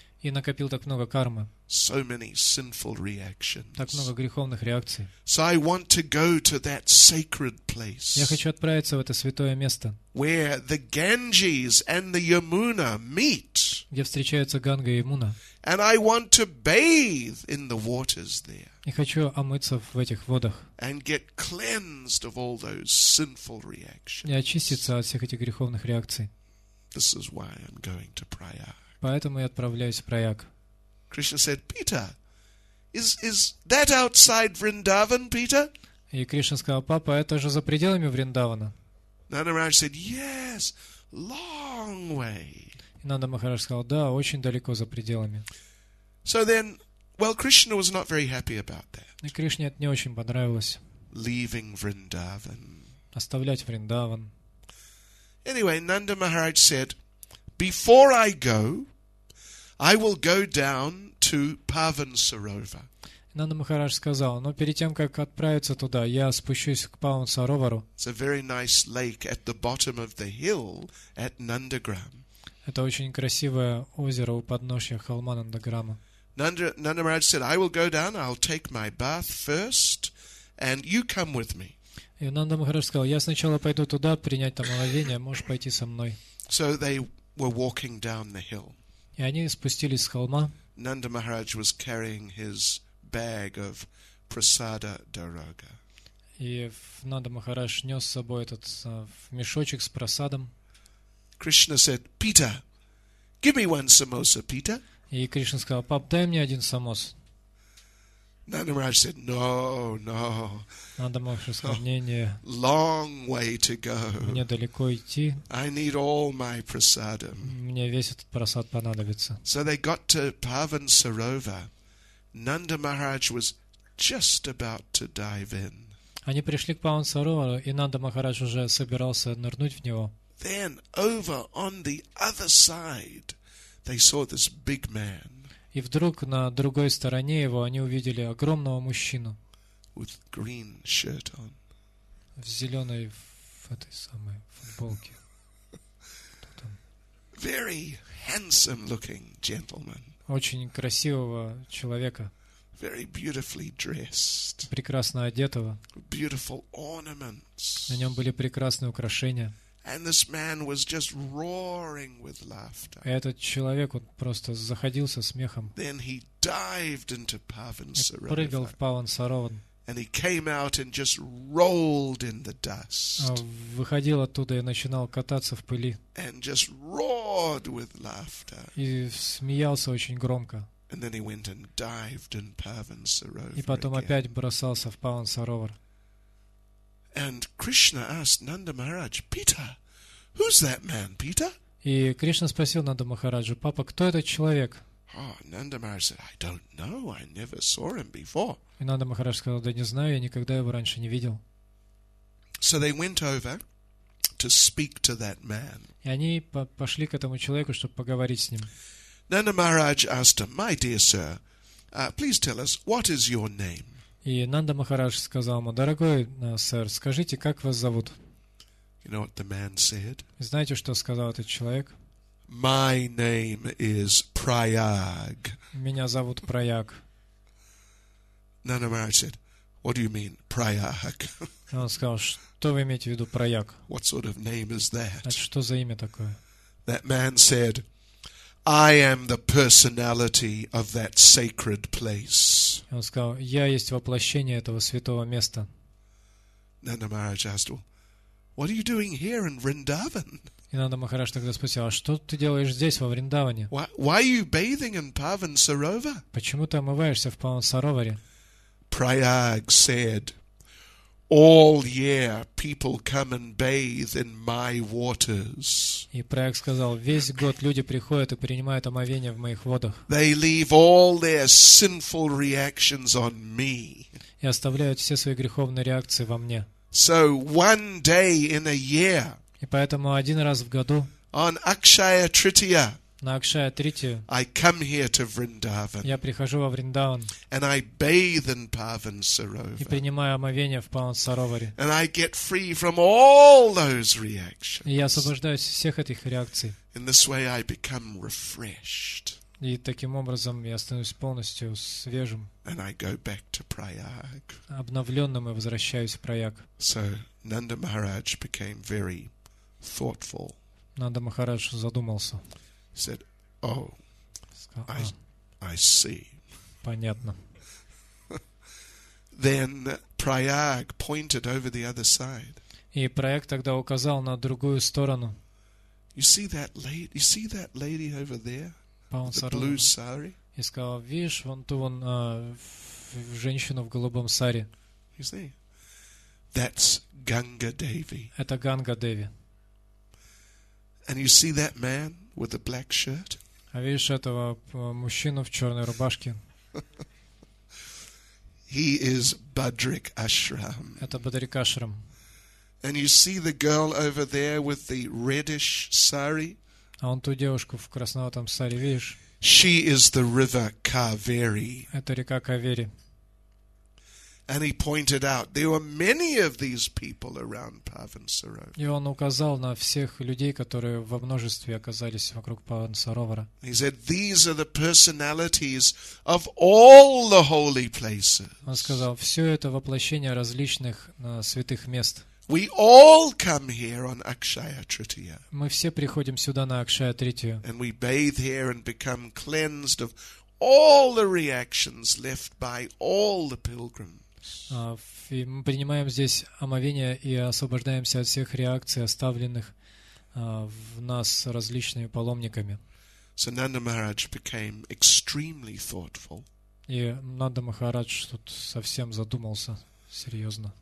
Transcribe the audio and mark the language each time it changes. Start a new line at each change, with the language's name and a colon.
Russian: И накопил так много кармы.
English: So many sinful reactions.
Russian: Так много греховных реакций.
English: So I want to go to that sacred place.
Russian: Я хочу отправиться в это святое место.
English: Where the Ganges and the Yamuna meet.
Russian: Где встречаются Ганга и Ямуна.
English: And I want to bathe in the waters there.
Russian: И хочу омыться в этих водах.
English: And get cleansed of all those sinful reactions.
Russian: И очиститься от всех этих греховных реакций.
English: This is why I'm going to Prayag.
Russian: Поэтому я отправляюсь в Прайаг.
English: Krishna said, Peter, is that outside Vrindavan, Peter?
Russian: И Кришна сказал, папа, это же за пределами Вриндавана.
English: Нанда Махарадж said, yes, long way.
Russian: И Нанда Махарадж сказал, да, очень далеко за пределами.
English: So then, well, Krishna was not very happy about that.
Russian: И Кришне это не очень понравилось.
English: Leaving Vrindavan.
Russian: Оставлять Вриндаван.
English: Anyway, Nanda Maharaj said, before I go, I will go down to Pavan Sarovar.
Russian: Нанда Махарадж сказал, но перед тем, как отправиться туда, я спущусь к Паван Саровару.
English: It's a very nice lake at the bottom of the hill at Nandagram.
Russian: Это очень красивое озеро у подножья холма Нандаграма.
English: Нанда Махарадж said, I will go down, I'll take my bath first, and you come with me.
Russian: И Нанда Махарадж сказал, я сначала пойду туда принять там омовение, можешь пойти со мной.
English: So they were walking down the hill.
Russian: И они спустились с холма.
English: Нанда Махарадж was carrying his bag of prasada daroga.
Russian: И Нанда Махарадж нес с собой этот мешочек с прасадом.
English: Krishna said, Peter, give me one samosa, Peter.
Russian: И Кришна сказал, пап, дай мне один самос.
English: Нанда Махарадж said, no, no.
Russian: Нанда Махарадж сказал, не-не.
English: Long way to go.
Russian: Мне далеко идти.
English: I need all my prasada.
Russian: Мне весь этот прасад понадобится.
English: So they got to Pavan Sarovar. Nanda Maharaj was just about to dive in.
Russian: Они пришли к Павану Саровару, и Нанда Махарадж уже собирался нырнуть в него.
English: Then over on the other side, they saw this big man.
Russian: И вдруг на другой стороне его они увидели огромного мужчину.
English: With green shirt on.
Russian: В зеленой в этой самой футболке.
English: Very handsome looking gentleman.
Russian: Очень красивого человека.
English: Very beautifully dressed.
Russian: Прекрасно одетого.
English: Beautiful ornaments.
Russian: На нем были прекрасные украшения.
English: And this man was just roaring with laughter.
Russian: Этот человек он просто заходился смехом.
English: Then he dived into Pavan Sarovar.
Russian: Прыгал в Паван Сарован.
English: And he came out and just rolled in the dust.
Russian: Выходил оттуда и начинал кататься в пыли.
English: And just roared with laughter.
Russian: И смеялся очень громко.
English: And then he went and dived in Pavan Sarovar.
Russian: И потом опять бросался в Паван Саровар.
English: And Krishna asked Nanda Maharaj, Peter, who's that man, Peter?
Russian: И Кришна спросил Нанда Махараджу, папа, кто этот человек?
English: Oh, Nanda Maharaj said, I don't know, I never saw him before.
Russian: И Нанда Махарадж сказал, да не знаю, я никогда его раньше не видел.
English: So they went over to speak to that man.
Russian: И они пошли к этому человеку, чтобы поговорить с ним.
English: Nanda Maharaj asked him, my dear sir, please tell us, what is your name?
Russian: И Нанда Махарадж сказал ему, «Дорогой сэр, скажите, как вас зовут?»
English: You know what the man said?
Russian: Знаете, что сказал этот человек?
English: My name is Prayag.
Russian: Меня зовут Прайаг.
English: Nanda Maharaj said, what do you mean, Prayag?
Russian: Он сказал, что вы имеете в виду Прайаг?
English: What sort of name is that?
Russian: Это что за имя такое?
English: That man said, I am the personality of that sacred place.
Russian: Он сказал, я есть воплощение этого святого места.
English: Nanda Maharaj asked, well, what are you doing here in Vrindavan?
Russian: И Нанда Махарадж тогда спросил, а что ты делаешь здесь, во Вриндаване?
English: Why are you bathing in Pavan Sarovar?
Russian: Почему ты омываешься в Паван Сароваре?
English: Prayag said, all year people come and bathe in my waters.
Russian: И Прайаг сказал, весь год люди приходят и принимают омовение в моих водах.
English: They leave all their sinful reactions on me.
Russian: И оставляют все свои греховные реакции во мне.
English: So one day in a year.
Russian: И поэтому один раз в году.
English: On Akshaya Tritiya.
Russian: На Акшая Тритию.
English: I come here to Vrindavan.
Russian: Я прихожу во Вриндаван.
English: And I bathe in Pavan Sarovar.
Russian: И принимаю омовение в Паван Сароваре.
English: And I get free from all those reactions.
Russian: И я освобождаюсь от всех этих реакций.
English: In this way I become refreshed.
Russian: И таким образом я становлюсь полностью свежим.
English: And I go back to Prayag.
Russian: Обновленным и возвращаюсь в Прайаг.
English: So Nanda Maharaj became very thoughtful.
Russian: Нанда Махарадж задумался.
English: Said, oh, I see.
Russian: Понятно.
English: Then Prayag pointed over the other side.
Russian: И Прайаг тогда указал на другую сторону.
English: You see that lady over there? The blue sari?
Russian: И сказал, видишь, вон ту вон женщину в голубом саре?
English: You see? That's Ganga Devi.
Russian: Это Ганга Деви.
English: And you see that man with the black shirt?
Russian: А видишь этого мужчину в черной рубашке?
English: He is Bhadrik Ashram.
Russian: Это Бадрик Ашрам.
English: And you see the girl over there with the reddish sari?
Russian: А он ту девушку в красноватом сари видишь?
English: She is the river Kaveri.
Russian: Это река Кавери.
English: And he pointed out there were many of these people around Parvansarovara.
Russian: И он указал на всех людей, которые во множестве оказались вокруг Парвансаровара.
English: He said these are the personalities of all the holy places.
Russian: Он сказал, все это воплощение различных святых мест.
English: We all come here on Akshaya Tritiya.
Russian: Мы все приходим сюда на Акшая Тритию.
English: And we bathe here and become cleansed of all the reactions left by all the pilgrims.
Russian: И мы принимаем здесь омовение и освобождаемся от всех реакций, оставленных в нас различными паломниками.
English: So Nanda Maharaj became extremely thoughtful.
Russian: И Нанда Махарадж тут совсем задумался серьезно.